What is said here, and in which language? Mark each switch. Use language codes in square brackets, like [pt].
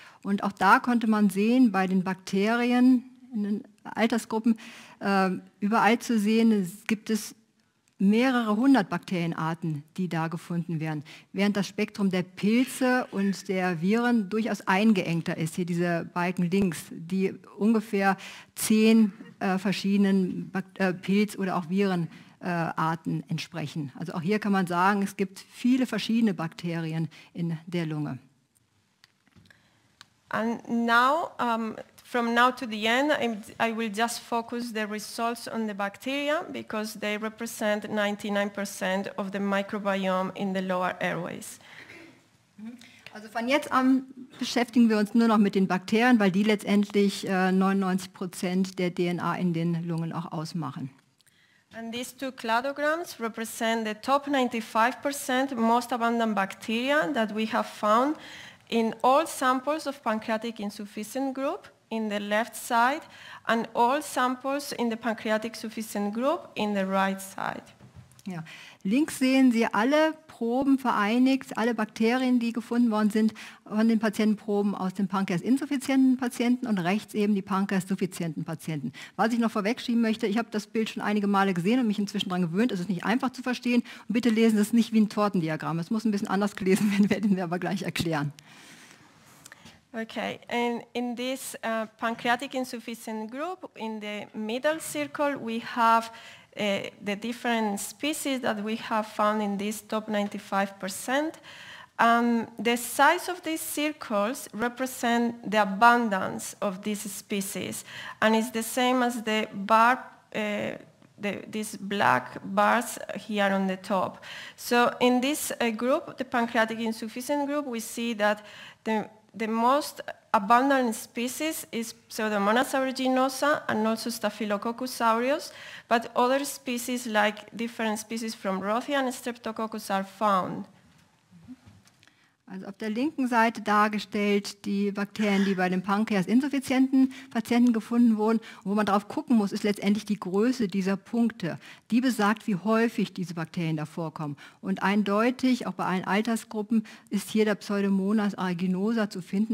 [de] Und auch da konnte man sehen, bei den Bakterien in den Altersgruppen, überall zu sehen, gibt es mehrere hundert Bakterienarten, die da gefunden werden, während das Spektrum der Pilze und der Viren durchaus eingeengter ist. Hier diese Balken links, die ungefähr 10 verschiedenen Pilz- oder auch Virenarten entsprechen. Also auch hier kann man sagen, es gibt viele verschiedene Bakterien in der Lunge. [en] And now, from now to the end, I will just focus the results on the bacteria because they represent 99% of the microbiome in the lower airways. [de] Also von jetzt an beschäftigen wir uns nur noch mit den Bakterien, weil die letztendlich 99% der DNA in den Lungen auch ausmachen. [en] And these two cladograms represent the top 95% most abundant bacteria that we have found in all samples of pancreatic insufficient group in the left side and all samples in the pancreatic sufficient group in the right side. [de] Ja. Links sehen Sie alle Proben vereinigt, alle Bakterien, die gefunden worden sind, von den Patientenproben aus den pankreasinsuffizienten Patienten und rechts eben die pankreassuffizienten Patienten. Was ich noch vorwegschieben möchte, ich habe das Bild schon einige Male gesehen und mich inzwischen daran gewöhnt, es ist nicht einfach zu verstehen. Und bitte lesen Sie es nicht wie ein Tortendiagramm. Es muss ein bisschen anders gelesen werden, werden wir aber gleich erklären. [en] Okay, and in this pancreatic insufficient group, in the middle circle, we have the different species that we have found in this top 95%. The size of these circles represent the abundance of these species, and it's the same as the bar, these black bars here on the top. So in this group, the pancreatic insufficient group, we see that the most abundant species is Pseudomonas aeruginosa and also Staphylococcus aureus, but other species like different species from Rothia and Streptococcus are found. [de] Also auf der linken Seite dargestellt die Bakterien, die bei den pankreasinsuffizienten Patienten gefunden wurden. Und wo man drauf gucken muss, ist letztendlich die Größe dieser Punkte. Die besagt, wie häufig diese Bakterien da vorkommen. Und eindeutig, auch bei allen Altersgruppen, ist hier der Pseudomonas aeruginosa zu finden.